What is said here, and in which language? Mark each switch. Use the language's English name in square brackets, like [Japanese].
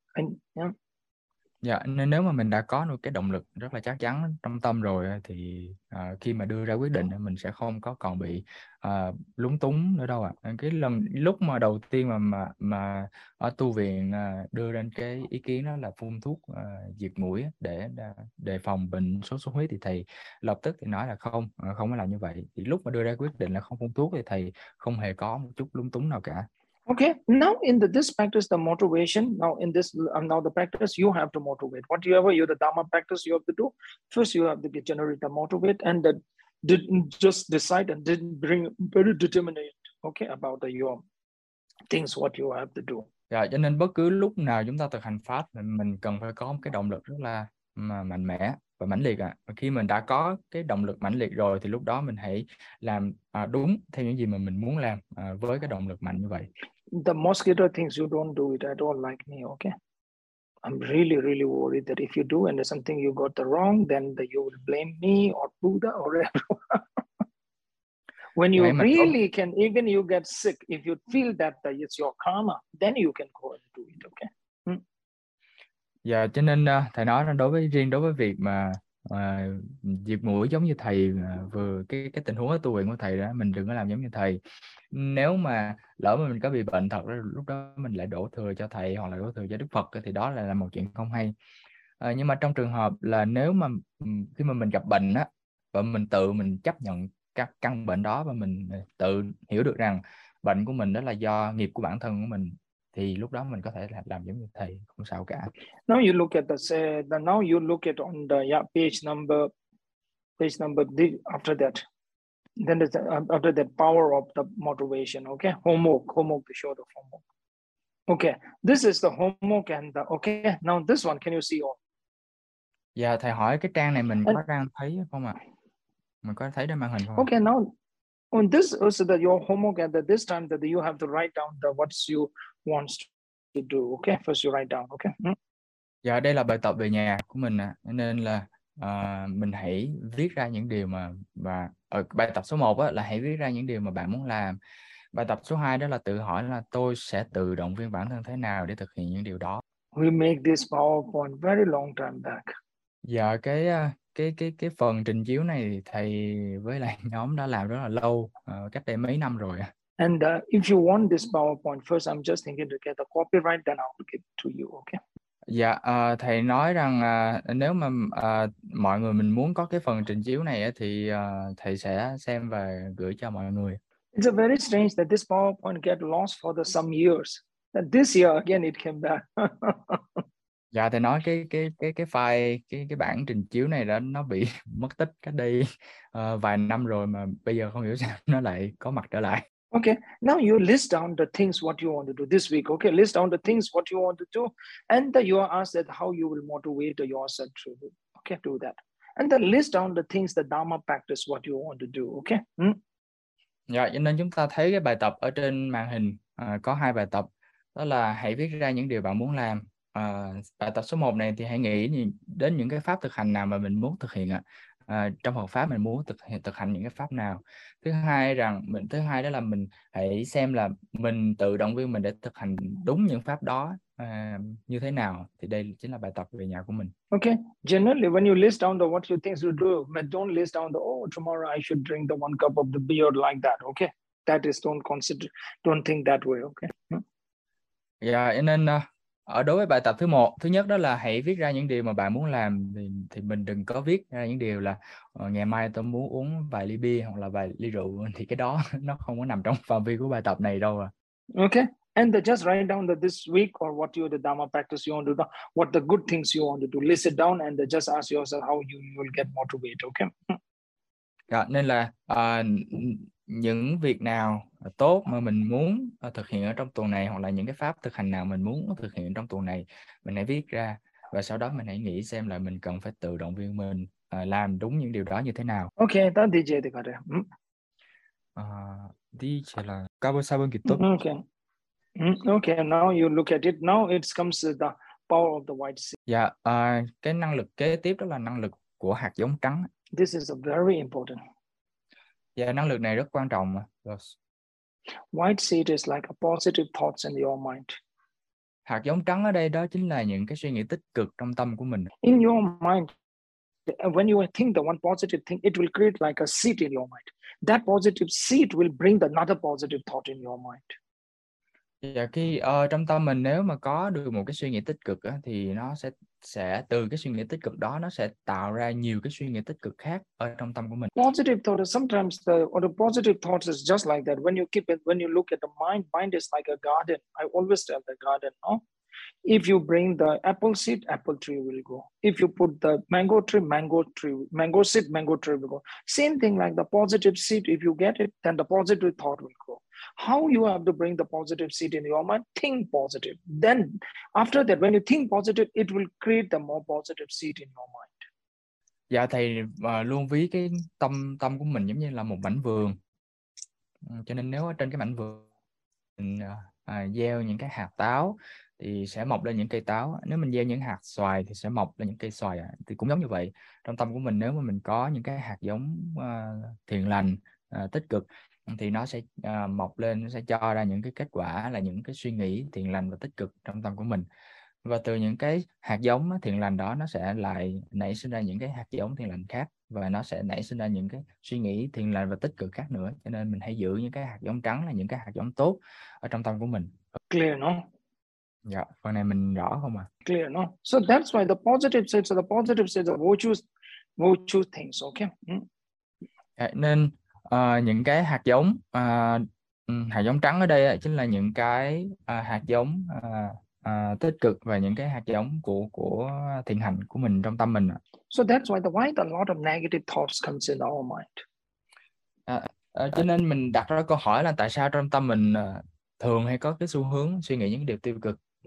[English] And yeah. [Vietnamese] Dạ, nên nếu mà mình đã có được cái động lực rất là chắc chắn trong tâm rồi thì khi mà đưa ra quyết định mình sẽ không có còn bị lúng túng nữa đâu ạ. À, cái lần lúc mà đầu tiên mà ở tu viện đưa ra cái ý kiến đó là phun thuốc diệt muối để đề phòng bệnh sốt xuất huyết thì thầy lập tức thì nói là không, không có làm như vậy. Thì lúc mà đưa ra quyết định là không phun thuốc thì thầy không hề có một chút lúng túng nào cả. [English] Okay, now in this practice, the motivation, now in this, now the practice, you have to motivate. Whatever you, the Dharma practice you have to do, first you have to get generate the motivate and the, didn't just decide and didn't bring very determinate, okay, about the your things, what you have to do. [Vietnamese] Dạ, cho nên bất cứ lúc nào chúng ta thực hành pháp mình cần phải có một cái động lực rất là mạnh mẽ và mãnh liệt ạ. À, khi mình đã có cái động lực mãnh liệt rồi thì lúc đó mình hãy làm đúng theo những gì mà mình muốn làm với cái động lực mạnh như vậy. [English] The mosquito thinks you don't do it at all like me, okay? I'm really, really worried that if you do and there's something you got the wrong, then the, you will blame me or Buddha or everyone. When [Vietnamese] Dạ, [English] you [Vietnamese] em mình có [English] really can, even you get sick, if you feel that it's your karma, then you can go and do it, okay? [Vietnamese] Dạ, cho nên thầy nói là đối với việc mà diệt muỗi giống như thầy vừa cái tình huống tu viện của thầy đó, mình đừng có làm giống như thầy. Nếu mà lỡ mà mình có bị bệnh thật lúc đó mình lại đổ thừa cho thầy hoặc là đổ thừa cho Đức Phật thì đó là một chuyện không hay. Nhưng mà trong trường hợp là nếu mà khi mà mình gặp bệnh á và mình tự mình chấp nhận các căn bệnh đó và mình tự hiểu được rằng bệnh của mình đó là do nghiệp của bản thân của mình, thì lúc đó mình có thể làm giống như thầy, không sao cả. [English] Now you look at the say the now you look at on the yeah page number the after that then it's after that power of the motivation, okay? Homework to show the homework. Okay, this is the homework and the, okay, now this one, can you see all? [Vietnamese] Dạ, thầy hỏi cái trang này mình [English] And [Vietnamese] có đang thấy không ạ? Mình có thấy trên màn hình không ạ? [English] okay, now on this is the your homework and the, this time that you have to write down the what you wants to do, okay? First you write down, okay? [Vietnamese] Dạ, đây là bài tập về nhà của mình ạ. À. Nên là mình hãy viết ra những điều mà... và bài tập số 1 á, là hãy viết ra những điều mà bạn muốn làm. Bài tập số 2 đó là tự hỏi là tôi sẽ tự động viên bản thân thế nào để thực hiện những điều đó. [English] We make this PowerPoint very long time back. [Vietnamese] Dạ, cái phần trình chiếu này thầy với lại nhóm đã làm rất là lâu, cách đây mấy năm rồi. [English] And if you want this PowerPoint first, I'm just thinking to get the copyright, then I'll give it to you, okay? [Vietnamese] Dạ, thầy nói rằng nếu mà mọi người mình muốn có cái phần trình chiếu này thì thầy sẽ xem và gửi cho mọi người. [English] It's very strange that this PowerPoint get lost for the some years. And this year again it came back. [Vietnamese] Dạ, thầy nói cái file cái bản trình chiếu này đó nó bị mất tích cách đây vài năm rồi mà bây giờ không hiểu sao nó lại có mặt trở lại. [English] Okay, now you list down the things what you want to do this week. Okay, list down the things what you want to do, and you are asked that how you will motivate yourself to do. Okay, do that, and then list down the things the Dharma practice what you want to do. Okay. [Vietnamese] Dạ, cho nên chúng ta thấy cái bài tập ở trên màn hình có hai bài tập, đó là hãy viết ra những điều bạn muốn làm. Bài tập số 1 này thì hãy nghĩ đến những cái pháp thực hành nào mà mình muốn thực hiện ạ. Trong Phật pháp mình muốn thực hành những cái pháp nào. Thứ hai đó là mình hãy xem là mình tự động viên mình để thực hành đúng những pháp đó Như thế nào? Thì đây chính là bài tập về nhà của mình. [English] Okay. Generally, when you list down the what you think you do, but don't list down the, oh, tomorrow I should drink the one cup of the beer like that. Okay. That is, don't consider, don't think that way. Okay. [Vietnamese] Dạ, yeah, nên ở đối với bài tập thứ một, thứ nhất đó là hãy viết ra những điều mà bạn muốn làm, thì mình đừng có viết ra những điều là ngày mai tôi muốn uống vài ly bia hoặc là vài ly rượu, thì cái đó nó không có nằm trong phạm vi của bài tập này đâu à. [English] Okay, and just write down that this week or what you the Dharma practice you want to do, what the good things you want to do, list it down and just ask yourself how you will get motivated. Okay. [Vietnamese] Dạ, nên là những việc nào tốt mà mình muốn thực hiện ở trong tuần này, hoặc là những cái pháp thực hành nào mình muốn thực hiện trong tuần này, mình hãy viết ra và sau đó mình hãy nghĩ xem là mình cần phải tự động viên mình làm đúng những điều đó như thế nào. Ok, ta đi chơi đi cả đấy. Đi chơi là cao sao bên kỹ thuật. [English] Ok, ok, now you look at it, now it comes to the power of the white seed. [Vietnamese] Dạ, cái năng lực kế tiếp đó là năng lực của hạt giống trắng. [English] This is a very important. [Vietnamese] Dạ, năng lực này rất quan trọng. [English] Yes. White seed is like a positive thoughts in your mind. [Vietnamese] Hạt giống trắng ở đây đó chính là những cái suy nghĩ tích cực trong tâm của mình. [English] In your mind, when you think the one positive thing, it will create like a seed in your mind. That positive seed will bring another positive thought in your mind. [Vietnamese] Dạ, khi trong tâm mình nếu mà có được một cái suy nghĩ tích cực á, thì nó sẽ từ cái suy nghĩ tích cực đó nó sẽ tạo ra nhiều cái suy nghĩ tích cực khác ở trong tâm của mình. [English] Positive thought is sometimes the positive thoughts is just like that. When you keep it, when you look at the mind, mind is like a garden. I always tell the garden, no? If you bring the apple seed, apple tree will grow. If you put the mango tree will grow. Same thing like the positive seed. If you get it, then the positive thought will grow. How you have to bring the positive seed in your mind? Think positive. Then after that, when you think positive, it will create the more positive seed in your mind. [Vietnamese] Dạ, thầy luôn ví cái tâm tâm của mình giống như là một mảnh vườn. Cho nên nếu ở trên cái mảnh vườn mình gieo những cái hạt táo thì sẽ mọc lên những cây táo. Nếu mình gieo những hạt xoài thì sẽ mọc lên những cây xoài. Thì cũng giống như vậy. Trong tâm của mình, nếu mà mình có những cái hạt giống thiện lành, tích cực, thì nó sẽ mọc lên, nó sẽ cho ra những cái kết quả là những cái suy nghĩ thiện lành và tích cực trong tâm của mình. Và từ những cái hạt giống thiện lành đó, nó sẽ lại nảy sinh ra những cái hạt giống thiện lành khác. Và nó sẽ nảy sinh ra những cái suy nghĩ thiện lành và tích cực khác nữa. Cho nên mình hãy giữ những cái hạt giống trắng là những cái hạt giống tốt ở trong tâm của mình. [English] Clear, no? [Vietnamese] Dạ, phần này mình rõ không ạ? [English] À? Clear, no? So that's why the positive sense, the positive sense of virtue things, okay? [Vietnamese] Nên những cái hạt giống trắng ở đây chính là những cái hạt giống tích cực và những cái hạt giống của thiện hành của mình trong tâm mình. [English] So that's why a lot of negative thoughts comes in our mind. [Vietnamese] Cho nên mình đặt ra câu hỏi là tại sao trong tâm mình thường hay có cái xu hướng suy nghĩ những điều tiêu cực.